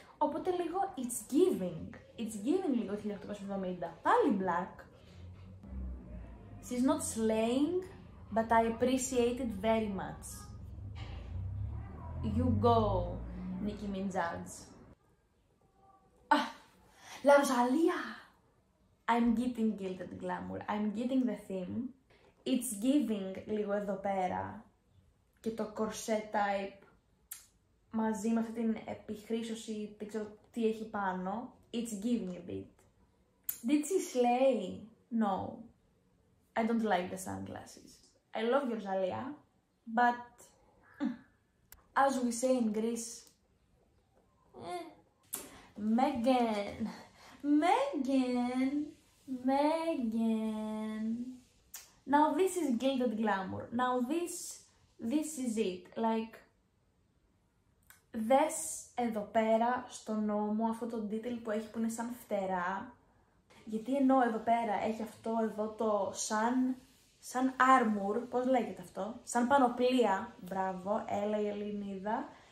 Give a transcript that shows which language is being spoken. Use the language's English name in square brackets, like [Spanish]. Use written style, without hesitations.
[Greek] Οπότε λίγο [English] it's giving [Greek] λίγο 1870, πάλι black. [English] She's not slaying, but I appreciate it very much. You go, Nicki Minaj. Ah, La Rosalía! I'm getting gilded glamour. I'm getting the theme. It's giving [Greek] λίγο εδώ πέρα και το corset type μαζί με αυτή την επιχρήσωση, δεν ξέρω τι έχει πάνω. [English] It's giving a bit. Did she slay? No. I don't like the sunglasses. I love your Rosalía, but as we say in Greece, Megan, Megan, Megan. Now this is gilded glamour. Now this is it. Like, [Greek] δες εδώ πέρα στο νόμο αυτό το detail που έχει που είναι σαν φτερά. Γιατί ενώ εδώ πέρα έχει αυτό εδώ το σαν armor, πώς λέγεται αυτό, σαν πανοπλία, μπράβο, έλα η Ελληνίδα.